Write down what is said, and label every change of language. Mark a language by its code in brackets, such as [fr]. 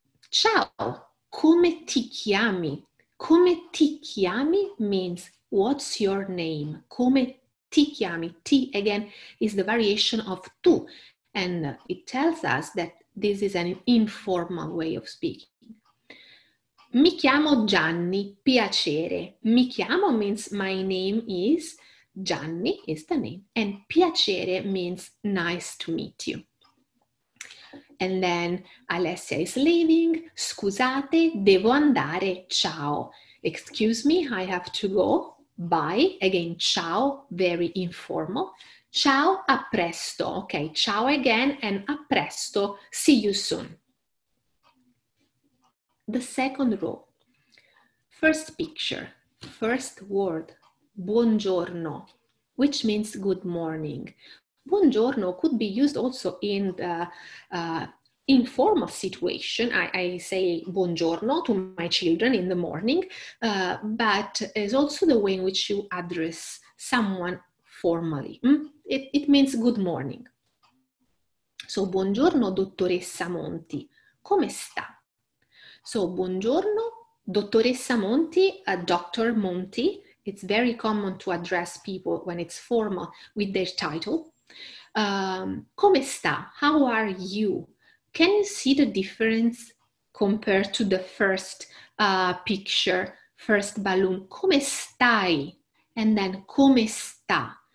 [it] Ciao, come ti chiami? Come ti chiami [en] means what's your name? [it] Come ti chiami? [en] Ti, again, is the variation of tu. And it tells us that this is an informal way of speaking. [it] Mi chiamo Gianni, piacere. Mi chiamo [en] means my name is. Gianni is the name, and piacere means nice to meet you. And then Alessia is leaving. [it] Scusate, devo andare. Ciao. [en] Excuse me, I have to go. Bye. Again, [it] ciao, [en] very informal. [it] Ciao, a presto. [en] Okay, ciao again, and [it] a presto. [en] See you soon. The second row. First picture, first word. Buongiorno, which means good morning. Buongiorno could be used also in the informal situation. I say buongiorno to my children in the morning, but is also the way in which you address someone formally. It means good morning. [it] So buongiorno dottoressa Monti, come sta? So buongiorno dottoressa Monti, Dr. Monti. [en] It's very common to address people when it's formal with their title. [it] Come sta? [en] How are you? Can you see the difference compared to the first picture, first balloon. [it] Come stai? [en] And then [it] come sta?